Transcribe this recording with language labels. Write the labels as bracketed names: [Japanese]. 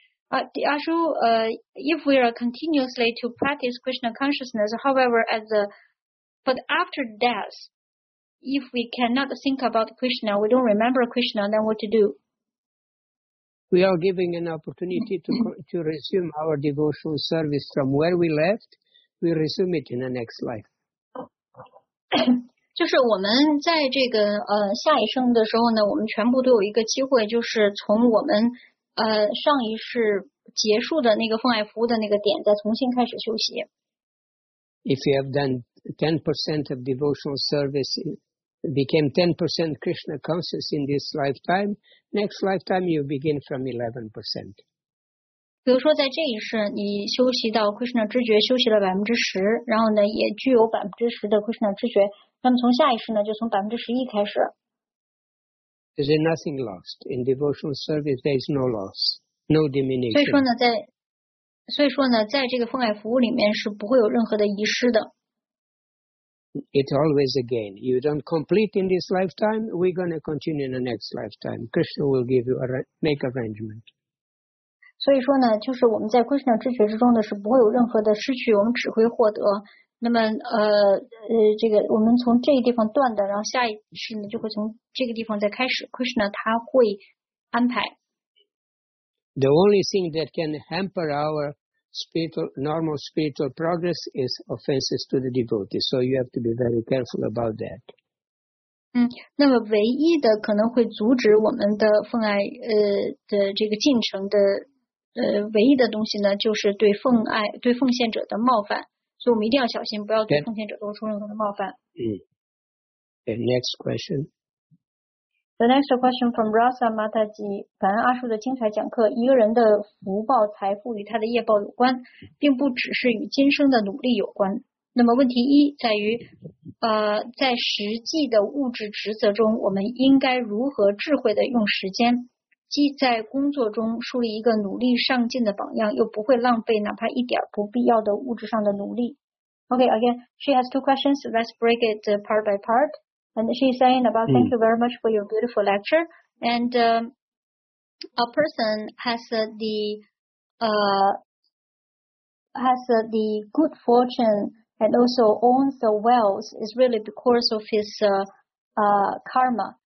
[English] The Ashu, if we are continuously to practice Krishna consciousness, however, as theBut after death, if we cannot think about Krishna, we don't remember Krishna, then what to do? We are giving an opportunity to resume our devotional service from where we left. We resume it in the next life. [Chinese] 就是我们在这个下一生的时候呢，我们全部都有一个机会，就是从我们上一世结束的那个奉爱服务的那个点再重新开始修习。 [English] If you have done 10% of devotional service, became 10% Krishna conscious in this lifetime, next lifetime you begin from 11%. [Chinese] 比如说在这一世你修习到 Krishna 知觉修习了 10%, 然后呢也具有 10% 的 Krishna 知觉，那么从下一世呢就从 11% 开始。 [English] There's nothing lost. In devotional service, there is no loss, no diminution. [Chinese] 所以说呢在所以说呢，在这个奉爱服务里面是不会有任何的遗失的。 [English] It's always again. You don't complete in this lifetime. We're going to continue in the next lifetime. Krishna will give you make arrangement. [Chinese] 所以说呢，就是我们在 Krishna 知觉之中呢，是不会有任何的失去，我们只会获得。那么这个我们从这个地方断的，然后下一世呢，就会从这个地方再开始。 Krishna 他会安排。 [English] The only thing that can hamper our spiritual, normal spiritual progress is offenses to the devotees. So you have to be very careful about that. [Chinese] 那么唯一的可能会阻止我们的奉爱的这个进程的唯一的东西呢，就是对奉爱对奉献者的冒犯。所以我们一定要小心，不要对奉献者做出任何的冒犯。 [English] Okay, next question. The next question from Rasa Mataji. [Chinese] 感恩阿叔的精彩讲课。一个人的福报财富与他的业报有关，并不只是与今生的努力有关。那么问题一在于，在实际的物质职责中，我们应该如何智慧地用时间，既在工作中树立一个努力上进的榜样，又不会浪费哪怕一点不必要的物质上的努力。 [English] Okay, again, she has two questions. Let's break it part by part. And she's saying about, thank you very much for your beautiful lecture. And a person has the good fortune and also owns the wealth is really because of his karma.